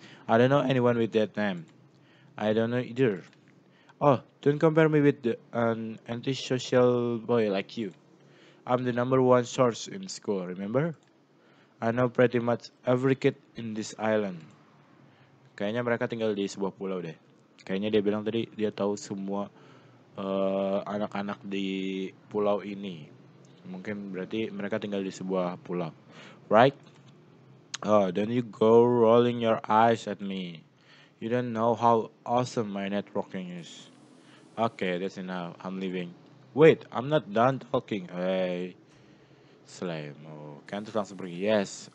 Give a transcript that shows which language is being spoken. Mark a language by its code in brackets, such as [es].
[en] I don't know anyone with that name. I don't know either. Oh, don't compare me with an antisocial boy like you. I'm the number one source in school, remember? I know pretty much every kid in this island. [id] Kayaknya mereka tinggal di sebuah pulau deh. Kayaknya dia bilang tadi dia tahu semua anak-anak di pulau ini. Mungkin berarti mereka tinggal di sebuah pulau. [en] Right? Oh, don't you go rolling your eyes at me. You don't know how awesome my networking is. Okay, that's enough. I'm leaving. Wait, I'm not done talking. Hey, Salam. Can't transfer [id] pergi. [en] Yes.